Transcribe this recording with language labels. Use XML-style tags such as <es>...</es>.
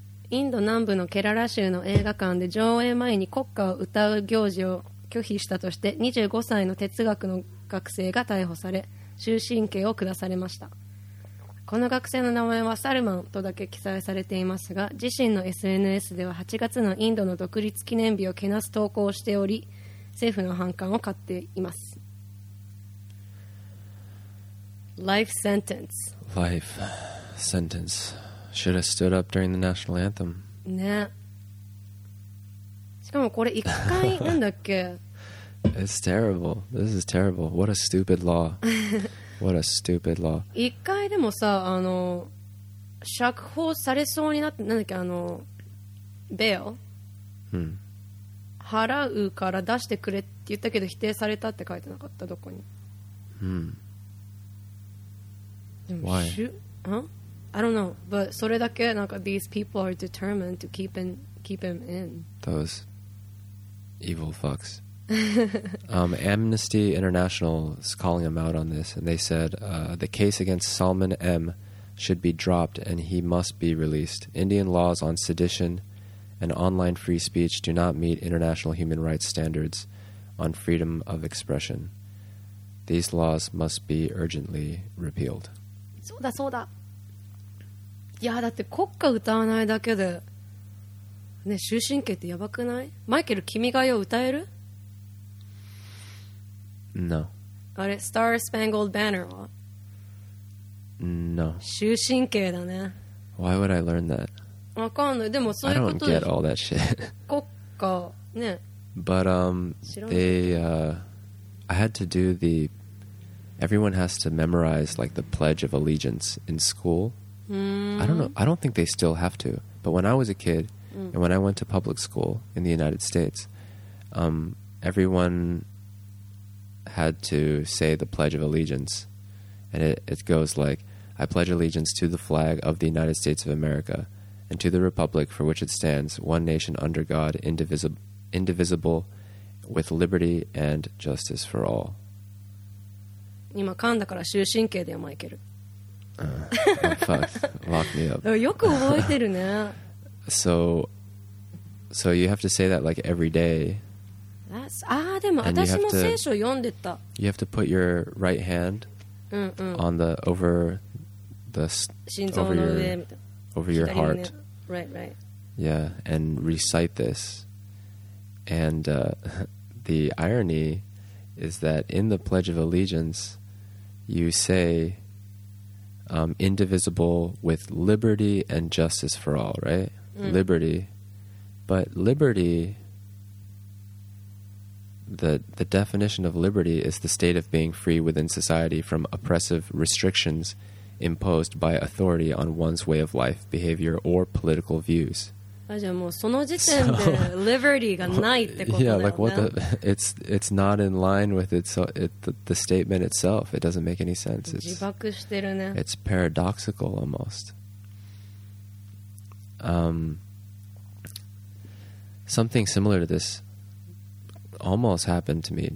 <ja>インド南部のケララ州の映画館で上映前に国歌を歌う行事を拒否したとして25歳の哲学の学生が逮捕され終身刑を下されました。この学生の名前はサルマンとだけ記載されていますが、自身の SNS では8月のインドの独立記念日をけなす投稿をしており、政府の反感を買っています。</ja> <en>Life sentence. Life sentenceShould have stood up during the national anthem.</en> <ja>ね。しかもこれ一回なんだっけ。</ja> <en>It's terrible. This is terrible. What a stupid law. What a stupid law.</en> <ja>一回でもさ、あの釈放されそうになって、なんだっけ、あのベイル、払うから出してくれって言ったけど否定されたって書いてなかったどこに。</ja> <en>Why?</en> <ja>うん。</ja> <en>I don't know, but</en> <ja>それだけなんか</ja> <en>these people are determined to keep him in. Those evil fucks. Amnesty International is calling him out on this, and they said the case against Salman M should be dropped and he must be released. Indian laws on sedition and online free speech do not meet international human rights standards on freedom of expression. These laws must be urgently repealed.</en> <ja>そうだそうだ。いやだって国歌歌わないだけでね、終身刑ってやばくない？マイケル君が代歌える</ja> <en>？No。</en> <ja>あれ、Star Spangled Banner は</ja> <en>？No。</en> <ja>終身刑だね。</ja> <en>Why would I learn that？</en> <ja>わかんない。でもそういうことで。</ja> <en>I don't get all that shit。</en> <ja>国歌ね。</ja> <en>But I had to do the everyone has to memorize like the Pledge of Allegiance in school. I don't know. I don't think they still have to. But when I was a kid, and when I went to public school in the United States, everyone had to say the Pledge of Allegiance, and it goes like, "I pledge allegiance to the flag of the United States of America, and to the Republic for which it stands, one nation under God, indivisible." With liberty and justice for all.</en> <ja>今噛んだから終身刑だよマイケル。</ja> <en>Fuck, lock me up.</en> <ja>よく覚えてるね。</ja> <en>So you have to say that like every day.</en> <ja>ああでも私も聖書読んでた。</ja> <en>You have to put your right hand on the over the</en> <ja>心臓の上みたいな。</ja> <en>Over your heart. Right, right. Yeah, and recite this. And the irony is that in the Pledge of Allegiance, you say indivisible with liberty and justice for all, right? Liberty. But liberty, the definition of liberty is the state of being free within society from oppressive restrictions imposed by authority on one's way of life, behavior, or political views.</en> <ja>じゃあもうその時点でリバティがないってことだよね。</ja> <en>Yeah, like what it's not in line with the statement itself. It doesn't make any sense.</en> <ja>自爆してるね。</ja> <en>It's paradoxical almost. Something similar to this almost happened to me.</en>